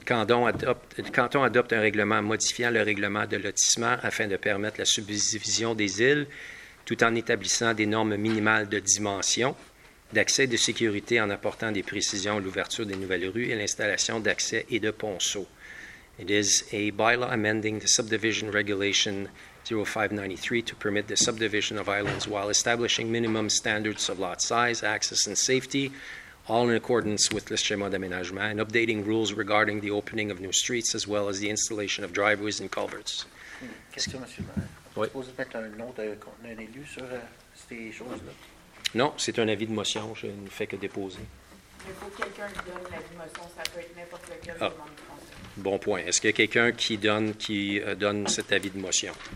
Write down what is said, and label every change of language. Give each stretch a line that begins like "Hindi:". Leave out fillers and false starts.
French: Le canton adopte un règlement modifiant le règlement de lotissement afin de permettre la subdivision des îles tout en établissant des normes minimales de dimension, d'accès et de sécurité en apportant des précisions à l'ouverture des nouvelles rues et l'installation d'accès et de ponceaux.
English: It is a bylaw amending the subdivision regulation 0593 to permit the subdivision of islands while establishing minimum standards of lot size, access and safety, all in accordance with
French: le schéma d'aménagement,
English: and updating rules regarding the opening of new streets as well as the installation of driveways and culverts.
French: Question, monsieur le maire. Oui. Vous pouvez mettre un nom d'un élu sur ces choses-là? Non, c'est un avis de motion. Je ne fais que déposer. Il faut que quelqu'un qui donne l'avis de motion. Ça peut être n'importe lequel du monde français. Bon point. Est-ce qu'il y a quelqu'un qui donne cet avis de motion?